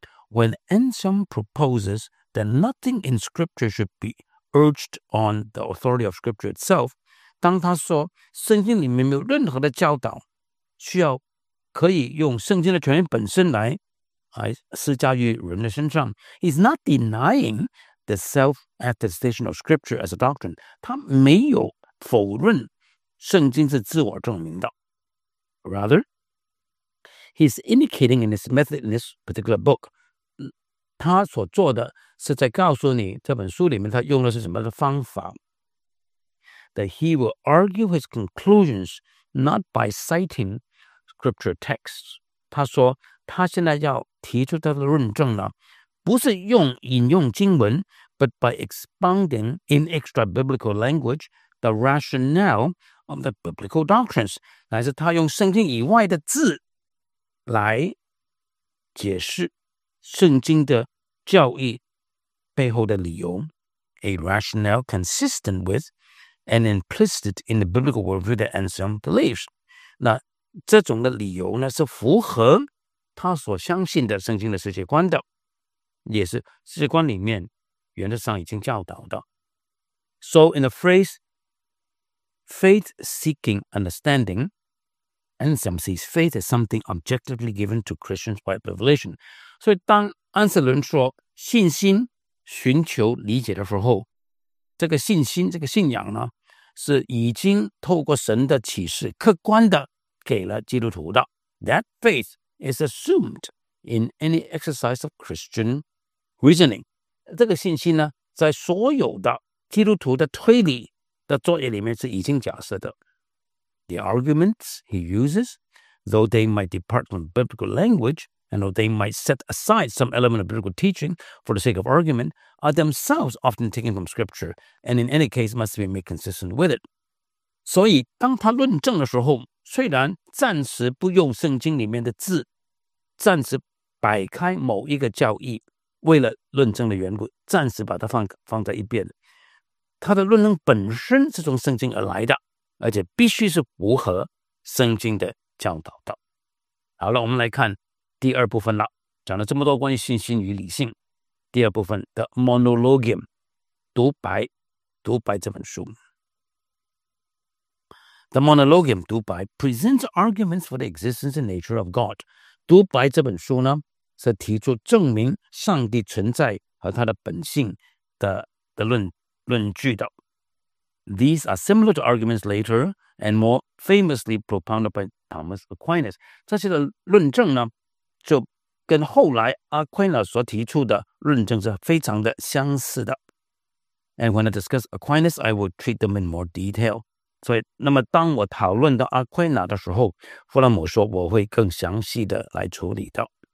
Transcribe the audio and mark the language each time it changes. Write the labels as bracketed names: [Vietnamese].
[English] When Anselm proposes that nothing in Scripture should be urged on the authority of Scripture itself， [Chinese] 当他说圣经里面没有任何的教导需要可以用圣经的权威本身来施加于人的身上， [English] He's not denying the self-attestation of Scripture as a doctrine， [Chinese] 他没有否认圣经是自我证明的。 [English] RatherHe's indicating in his method in this particular book. [Chinese] 他所做的是在告诉你这本书里面他用的是什么的方法。 [English] That he will argue his conclusions not by citing scripture texts. [Chinese] 他说他现在要提出他的论证呢，不是用引用经文 [English] but by expounding in extra-biblical language the rationale of the biblical doctrines. [Chinese] 乃是他用圣经以外的字来解释圣经的教义背后的理由， [English] a rationale consistent with and implicit in the biblical worldview that Anselm believes. [Chinese] 那这种的理由呢，是符合他所相信的圣经的世界观的，也是世界观里面原则上已经教导的。 [English] So in the phrase faith seeking understanding,Anselm sees faith as something objectively given to Christians by revelation. [Chinese] 所以当安瑟伦说信心寻求理解的时候，这个信心这个信仰呢是已经透过神的启示客观的给了基督徒的。 [English] That faith is assumed in any exercise of Christian reasoning. [Chinese] 这个信心呢在所有的基督徒的推理的作业里面是已经假设的。 [English] The arguments he uses, though they might depart from biblical language, and though they might set aside some element of biblical teaching for the sake of argument, are themselves often taken from scripture, and in any case must be made consistent with it. [Chinese] 所以当他论证的时候，虽然暂时不用圣经里面的字，暂时摆开某一个教义，为了论证的缘故，暂时把它放在一边，他的论证本身是从圣经而来的，而且必须是符合圣经的教导的。好了，我们来看第二部分了，讲了这么多关于信心与理性。第二部分 [English] The Monologium [Chinese] 独白，独白这本书 [English] The Monologium [Chinese] 独白 [English] presents arguments for the existence and nature of God。 [Chinese] 独白这本书呢，是提出证明上帝存在和他的本性 的论据的。 [English] These are similar to arguments later and more famously propounded by Thomas Aquinas。 [Chinese] 这些的论证呢，就跟后来 Aquinas 所提出的论证是非常的相似的。 [English] And when I discuss Aquinas, I will treat them in more detail。 [Chinese] 所以那么当我讨论到 Aquinas 的时候，弗拉姆说我会更详细的来处理的。